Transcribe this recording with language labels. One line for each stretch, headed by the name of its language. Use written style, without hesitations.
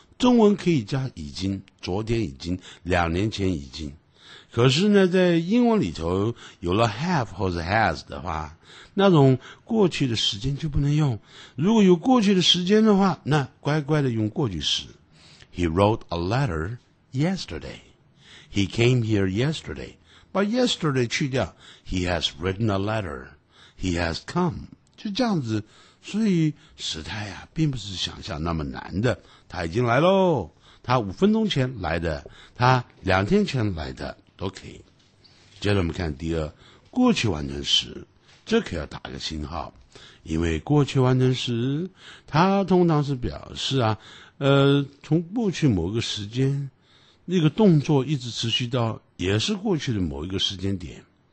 Chinese: 中文可以加已经，昨天已经，2年前已经。可是呢，在英文里头有了 have 或者 has 的话，那种过去的时间就不能用。如果有过去的时间的话，那乖乖的用过去时。
English: He wrote a letter yesterday. He came here yesterday. 把 yesterday 去掉， He has written a letter. He has come.
Chinese: 就这样子。所以时态啊并不是想象那么难的，他已经来咯，他5分钟前来的，他2天前来的都可以。接着我们看第二，过去完成时，这可要打个星号，因为过去完成时，它通常是表示啊，从过去某个时间，那个动作一直持续到也是过去的某一个时间点。